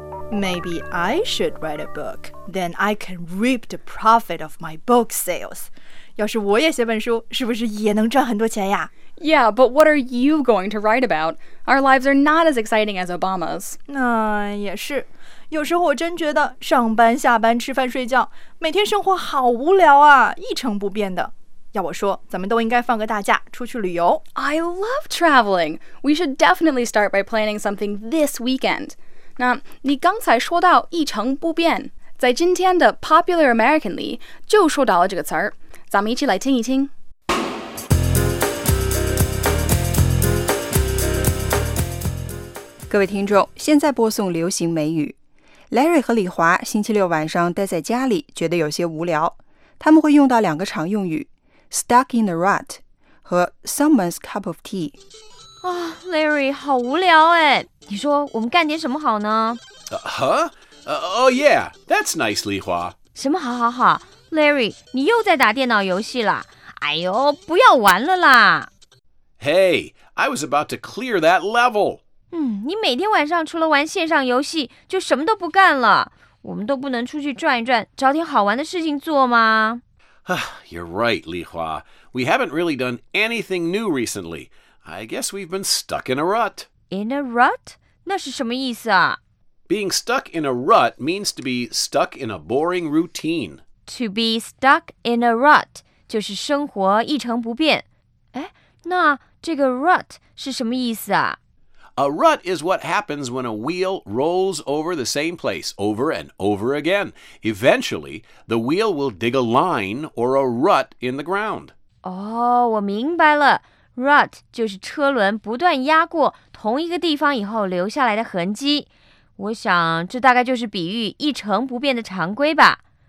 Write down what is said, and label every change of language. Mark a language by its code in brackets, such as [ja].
[en] Maybe I should write a book, then I can reap the profit of my book sales. [zh] 要是我也写本书，是不是也能赚很多钱呀？ [en] Yeah, but what are you going to write about? Our lives are not as exciting as Obama's. [zh] 那也是，有时候我真觉得上班、下班、吃饭、睡觉，每天生活好无聊啊，一成不变的。要我说，咱们都应该放个大假，出去旅游。 [en] I love traveling. We should definitely start by planning something this weekend. [zh] 那你刚才说到一成不变，在今天的 Popular American 里就说到了这个词儿，咱们一起来听一听。各位听众，现在播送流行美语。 Larry 和李华星期六晚上待在家里觉得有些无聊，他们会用到两个常用语 Stuck in the rut 和 Someone's cup of tea。 Oh, Larry, 好无聊耶。你说我们干点什么好呢？ [en] Oh, yeah, that's nice, 李华。 [zh] 什么好好好？Larry, 你又在打电脑游戏啦。哎呦，不要玩了啦。 [en] Hey, I was about to clear that level. [zh] 你每天晚上除了玩线上游戏，就什么都不干了。我们都不能出去转一转，找点好玩的事情做吗？ [en] You're right, 李华。We haven't really done anything new recently. I guess we've been stuck in a rut. [zh] In a rut? 那是什么意思啊? [en] Being stuck in a rut means to be stuck in a boring routine. To be stuck in a rut, [zh] 就是生活一成不变。哎，那这个 rut 是什么意思啊? [en] A rut is what happens when a wheel rolls over the same place over and over again. Eventually, the wheel will dig a line or a rut in the ground. [zh] 哦，我明白了。 Rut 就是车轮不断压过同一个地方以后留下来的痕迹。我想这大概就是比喻一成不变的常规吧。